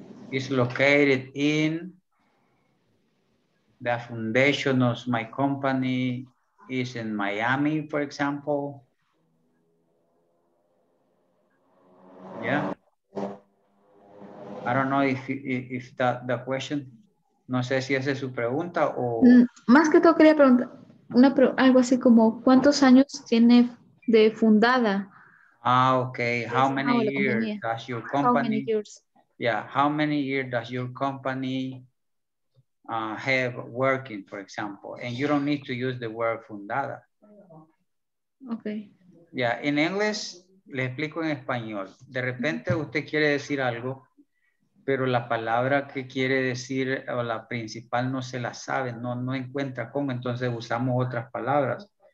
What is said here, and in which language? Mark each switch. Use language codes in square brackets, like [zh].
[en] It's located in the foundation of my company is in Miami, for example. Yeah. I don't know if that the question. [es] No sé si esa es su pregunta o. Más que todo quería preguntar una algo así como ¿cuántos años tiene de fundada? [en] Ah, okay. How many years does your company? How many years? Yeah. How many years does your company have working, for example? And you don't need to use the word fundada. Okay. Yeah. In English, [es] le explico en español. De repente usted quiere decir algo, pero la palabra que quiere decir o la principal no se la sabe, no encuentra cómo, entonces usamos otras palabras.